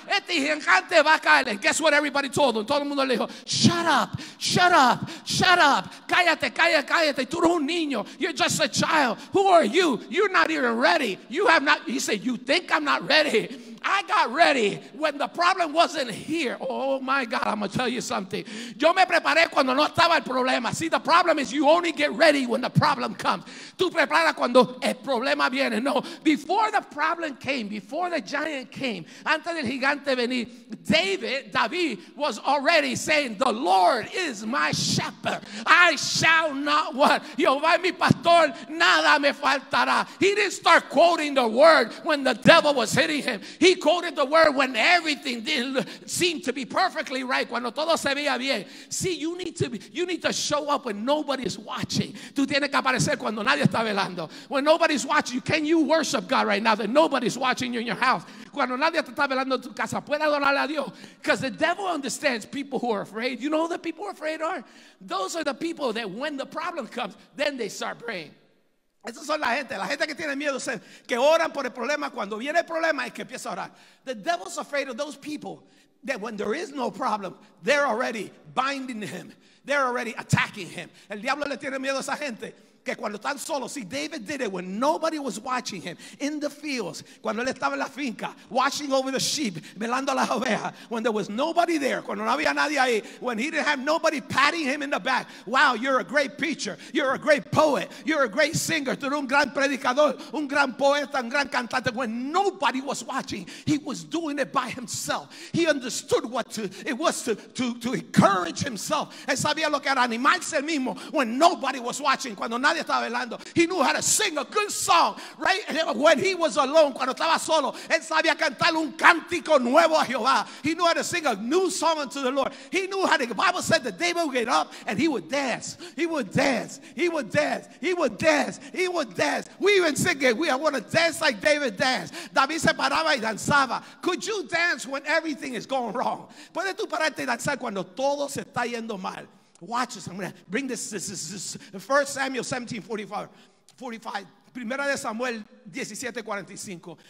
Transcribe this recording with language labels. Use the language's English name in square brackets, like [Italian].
[Spanish] Este gigante va a caer. [English] And guess what everybody told him? [Spanish] Todo el mundo le dijo, [English] shut up, shut up, shut up. [Spanish] Cállate, cállate, cállate. Tú eres un niño. [English] You're just a child. Who are you? You're not even ready. You have not, he said, you think I'm not ready? I got ready when the problem wasn't here. Oh my God, I'm going to tell you something. [Spanish] Yo me preparé cuando no estaba el problema. [English] See, the problem is you only get ready when the problem comes. [Spanish] Tú preparas cuando el problema viene. [English] No, before the problem came, before the giant came, [Spanish] antes del gigante venir, [English] David was already saying, the Lord is my shepherd. I shall not want. [Spanish] Jehová es mi pastor, nada me faltará. [English] He didn't start quoting the word when the devil was hitting him. He quoted the word when everything didn't seem to be perfectly right. [Spanish] Cuando todo se veía bien. [English] See, you need to show up when nobody's watching. [Spanish] Tú tienes que aparecer cuando nadie está velando. [English] When nobody's watching, can you worship God right now that nobody's watching you in your house? [Spanish] Cuando nadie te está velando en tu casa, puede adorar a Dios. [English] Because the devil understands people who are afraid. You know who the people who are afraid are? Those are the people that when the problem comes, then they start praying. [Spanish] Esas son la gente que tiene miedo, que oran por el problema. Cuando viene el problema es que empieza a orar. [English] The devil's afraid of those people that when there is no problem, they're already binding him. They're already attacking him. [Spanish] El diablo le tiene miedo a esa gente que cuando están solos. [English] See, David did it when nobody was watching him in the fields, [Spanish] cuando él estaba en la finca, [English] watching over the sheep, [Spanish] velando las ovejas, [English] when there was nobody there, [Spanish] cuando no había nadie ahí, [English] when he didn't have nobody patting him in the back. Wow, you're a great preacher, you're a great poet, you're a great singer, [Spanish] tú eres un gran predicador, un gran poeta, un gran cantante. [English] When nobody was watching, he was doing it by himself. He understood what it was to encourage himself. [Spanish] Él sabía lo que era animarse mismo [English] when nobody was watching, [Spanish] cuando nadie estaba velando. [English] He knew how to sing a good song, right? When he was alone, [Spanish] cuando estaba solo, él sabía cantar un cántico nuevo a Jehová. [English] He knew how to sing a new song unto the Lord. He knew how to, the Bible said that David would get up and he would dance. He would dance. He would dance. He would dance. He would dance. We even sing it. We want to dance like David danced. [Spanish] David se paraba y danzaba. [English] Could you dance when everything is going wrong? [Spanish] ¿Puedes tú pararte y danzar cuando todo se está yendo mal? [English] Watch this. I'm going to bring this 1 Samuel 17:45. 1 Samuel 17:45.